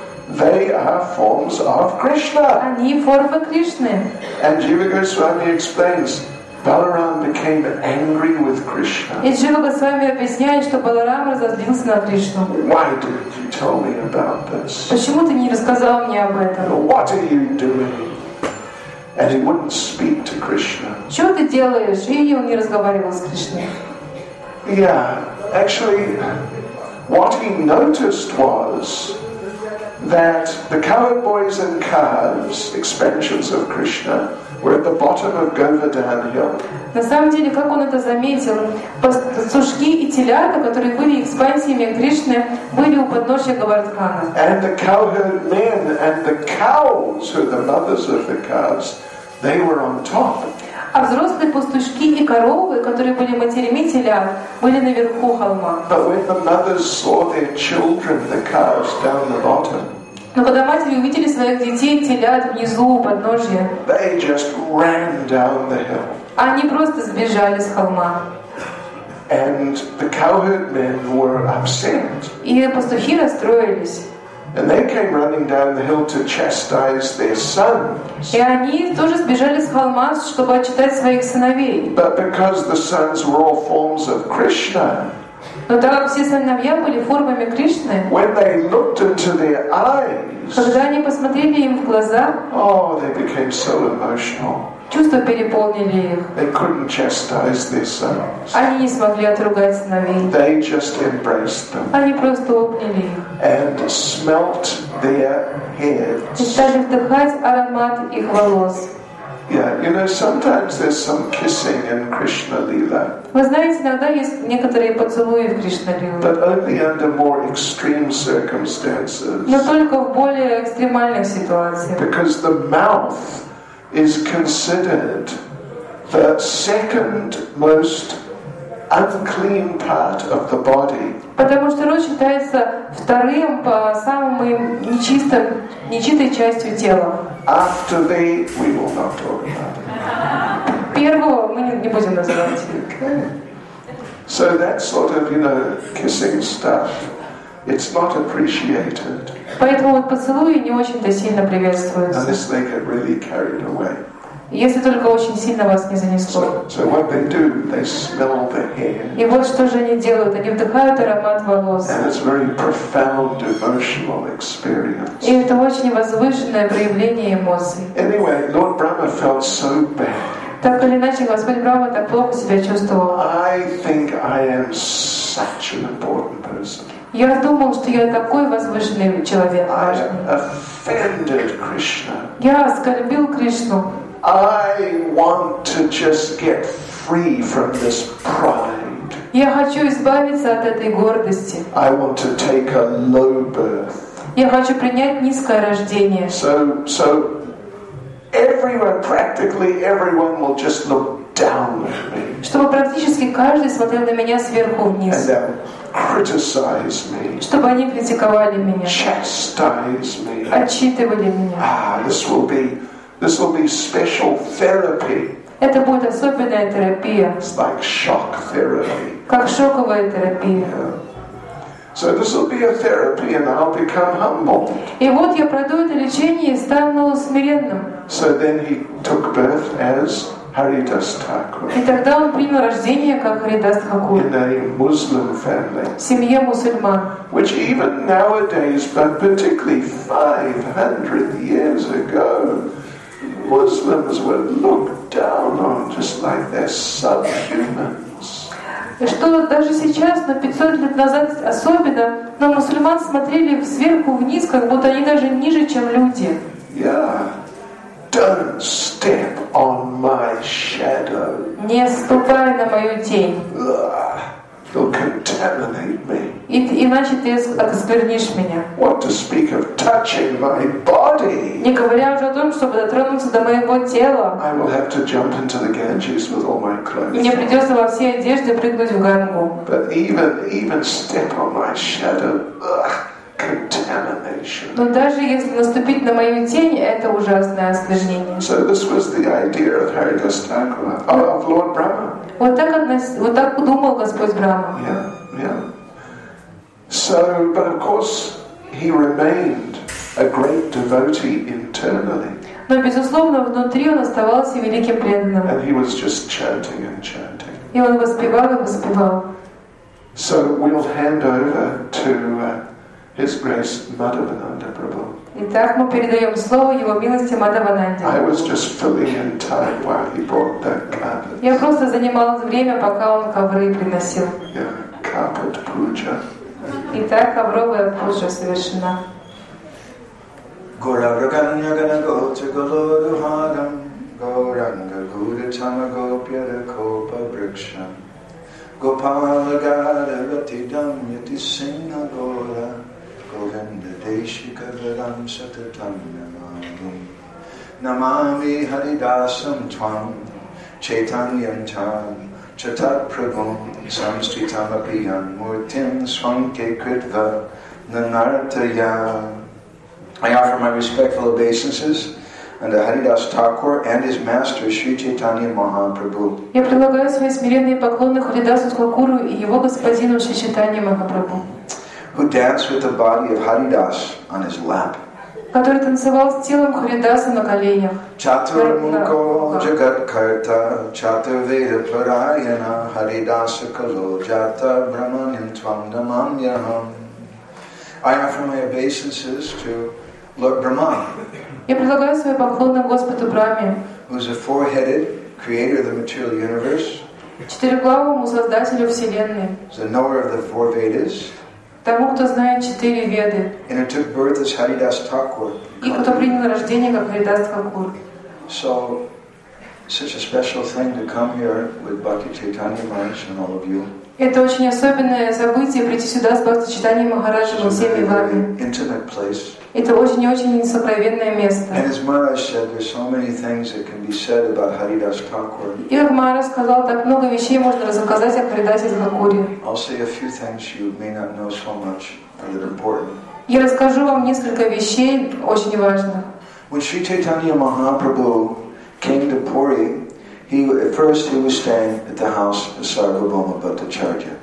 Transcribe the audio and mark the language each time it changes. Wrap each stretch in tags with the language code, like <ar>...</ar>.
<en>They are forms of Krishna.</en> <ru>Они формы Кришны.</ru> <en>And Jiva Goswami explains, Balaram became angry with Krishna.</en> <ru>И Джива Госвами объясняет, что Баларам разозлился на Кришну.</ru> <en>Why didn't you tell me about this?</en> <ru>Почему ты не рассказал мне об этом?</ru> <en>What are you doing? And he wouldn't speak to Krishna.</en> <ru>Что ты делаешь? И он не разговаривал с Кришной.</ru> <en>Yeah, actually, what he noticed was that the cowherd boys and calves expansions of Krishna were at the bottom of Govardhan Hill.</en> <ru>На самом деле, как он это заметил, пастушки и телята, которые были экспансиями Кришны, были у подножия Говардхана.</ru> <en>And the cowherd men and the cows, who are the mothers of the cows, they were on top.</en> <ru>А взрослые пастушки и коровы, которые были матерями телят, были наверху холма.</ru> <en>But when the mothers saw their children, the cows down the bottom.</en> <ru>Но когда матери увидели своих детей, телят внизу у подножия,</ru> <en>they just ran down the hill.</en> <ru>Они просто сбежали с холма.</ru> <en>And the cowherd men were upset.</en> <ru>И пастухи расстроились.</ru> <en>And they came running down the hill to chastise their sons.</en> <ru>И они тоже сбежали с холма, чтобы отчитать своих сыновей.</ru> <en>But because the sons were all forms of Krishna.</en> <ru>Но так как все сыновья были формами Кришны,</ru> <en>when they looked into their eyes,</en> <ru>когда они посмотрели им в глаза,</ru> <en>oh, they became so emotional.</en> <ru>Чувства переполнили их.</ru> <en>They couldn't chastise their sons.</en> <ru>Они не смогли отругать сыновей.</ru> <en>They just embraced them.</en> <ru>Они просто обняли их.</ru> <en>And smelt their heads.</en> <ru>И стали вдыхать аромат их волос.</ru> <en>Yeah, you know, sometimes there's some kissing in Krishna Lila.</en> <ru>Вы знаете, иногда есть некоторые поцелуи в Кришна Лиле.</ru> <en>But only under more extreme circumstances.</en> <ru>Но только в более экстремальных ситуациях.</ru> <en>Because the mouth is considered the second most unclean part of the body.</en> <ru>Потому что рот считается вторым по самому нечистой частью тела.</ru> <en>After the, we will not talk about it.</en> <ru>Первого мы не будем называть.</ru> <en>So that sort of, you know, kissing stuff, it's not appreciated.</en> <ru>Поэтому вот поцелуи не очень-то сильно приветствуются.</ru> <en>Unless they get really carried away.</en> <ru>Если только очень сильно вас не занесло.</ru> <en>So what they do, they smell the hair.</en> <ru>И вот что же они делают? Они вдыхают аромат волос.</ru> <en>And it's very profound emotional experience.</en> <ru>И это очень возвышенное проявление эмоций.</ru> <en>Anyway, Lord Brahma felt so bad.</en> <ru>Так или иначе, Господь Брахма так плохо себя чувствовал.</ru> <en>I think I am such an important person.</en> <ru>Я думал, что я такой возвышенный человек.</ru> <en>I offended Krishna.</en> <ru>Я оскорбил Кришну.</ru> <en>I want to just get free from this pride.</en> <ru>Я хочу избавиться от этой гордости.</ru> <en>I want to take a low birth.</en> <ru>Я хочу принять низкое рождение.</ru> <en>So everyone, practically everyone, will just look down at me.</en> <ru>Чтобы практически каждый смотрел на меня сверху вниз.</ru> <en>And they'll criticize me.</en> <ru>Чтобы они критиковали меня.</ru> <en>Chastise me.</en> <ru>Отчитывали меня.</ru> <en>This will be special therapy.</en> <ru>Это будет особенная терапия.</ru> <en>It's like shock therapy.</en> <ru>Как шоковая терапия.</ru> <en>Yeah. So this will be a therapy, and I'll become humble.</en> <ru>И вот я пройду это лечение и стану смиренным.</ru> <en>So then he took birth as Haridas Thakur.</en> <ru>И тогда он принял рождение как Haridas Thakur.</ru> <en>In a Muslim family.</en> <ru>В семье мусульман.</ru> <en>Which even nowadays, but particularly 500 years ago, Muslims were looked down on just like they're subhumans.</en> <ru>Что даже сейчас, но 500 лет назад особенно, на мусульман смотрели сверху вниз, как будто они даже ниже, чем люди.</ru> <en>Yeah. Don't step on my shadow.</en> <ru>Не ступай на мою тень.</ru> <en>You'll contaminate me.</en> <ru>Иначе ты осквернишь меня.</ru> <en>What to speak of touching my body?</en> <ru>Не говоря уже о том, чтобы дотронуться до моего тела.</ru> <en>I will have to jump into the Ganges with all my clothes.</en> <ru>Мне придется во всей одежде прыгнуть в Гангу.</ru> <en>But even step on my shadow, contamination.</en> <ru>Но даже если наступить на мою тень, это ужасное осквернение.</ru> <en>So this was the idea of Haridas Thakur, of Lord Brahma.</en> <ru>Вот так думал Господь Брахма.</ru> <en>Yeah. So, but of course, he remained a great devotee internally.</en> <ru>Но безусловно внутри он оставался великим преданным.</ru> <en>And he was just chanting and chanting.</en> <ru>И он воспевал и воспевал.</ru> <en>So we'll hand over to His Grace Madhavananda Prabhu.</en> <ru>Итак, мы передаем слово Его милости Мадхавананде.</ru> <en>I was just filling in time while he brought the carpet.</en> <ru>Я просто занимал время, пока он ковры приносил.</ru> <en>Yeah, carpet puja.</en> <ru>Итак, ковровая пуджа совершена.</ru> <sa>Гора Враганья Ганаготи Голоду Хагам Gauranga Gudatama Gopyada Kopa Briksham Gopala Gada Rati Damyati Singha Gola Govinda Deshika Vedam Satatam Namam Namami Haridasam Twam Chaitanyam Tam Chatat Prabhum Samstitama Piyam Murtim Swanke Kritva Nanartaya.</sa> <en>I offer my respectful obeisances and the Haridas Thakur and his master, Sri Chaitanya Mahaprabhu.</en> <ru>Я предлагаю свои смиренные поклоны Харидасу Такуру и его господину Шри Чайтанья Махапрабху.</ru> <en>Who danced with the body of Haridas on his lap.</en> <ru>Который танцевал с телом Харидаса на коленях.</ru> <sa>Чатурмуко Джагаткарта Чатурведа Парайана Харидаса Кало Джата Брахманям Твам Намамьяхам.</sa> <en>I offer my obeisances to Lord Brahma.</en> <ru>Я предлагаю свои поклоны Господу Брахме,</ru> <en>who is a four-headed creator of the material universe,</en> <ru>четырехглавому создателю Вселенной,</ru> <en>the knower of the four Vedas,</en> <ru>тому, кто знает четыре Веды,</ru> <en>and who took birth as Haridas Thakur,</en> <ru>и кто принял рождение как Харидас Такур.</ru> <en>So, such a special thing to come here with Bhakti Chaitanya Maharaj and all of you.</en> <ru>Это очень особенное событие прийти сюда с Бхакти Чайтаньей Махараджем и всеми вами. Это очень и очень сокровенное место.</ru> <en>And as Maharaj said, there's so many things that can be said about Haridas Thakur.</en> <ru>И как Maharaj сказал, так много вещей можно рассказать о Харидасе Такуре.</ru> <en>I'll say a few things you may not know so much, but they're important.</en> <ru>Я расскажу вам несколько вещей очень важных.</ru> <en>When Sri Chaitanya Mahaprabhu came to Puri, He was staying at the house of Sarvabhauma Bhattacharya.</en>